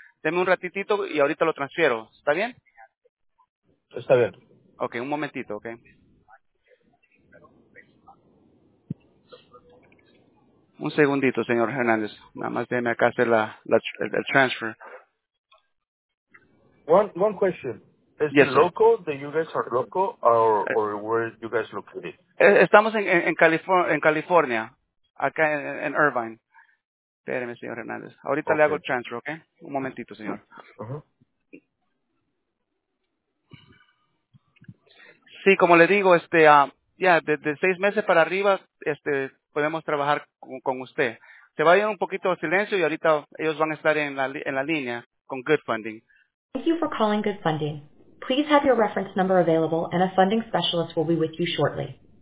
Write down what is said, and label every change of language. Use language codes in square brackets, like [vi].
[es] Deme un ratitito y ahorita lo transfiero, ¿está bien? Está bien. Ok, un momentito, ok. Un segundito, señor Hernández, nada más déjeme acá hacer el transfer. [en] One question. Is yes, it local? That you guys are local, or where you guys located? [es] Estamos en California, acá en Irvine. Espéreme, señor Hernández. Ahorita [en] okay. [es] Le hago transfer, ¿ok? Un momentito, señor. Uh-huh. Sí, como le digo, de 6 meses para arriba, podemos trabajar con usted. Se va a ir un poquito de silencio y ahorita ellos van a estar en la línea con Good Funding. [en] Thank you for calling Good Funding. Please have your reference number available and a funding specialist will be with you shortly.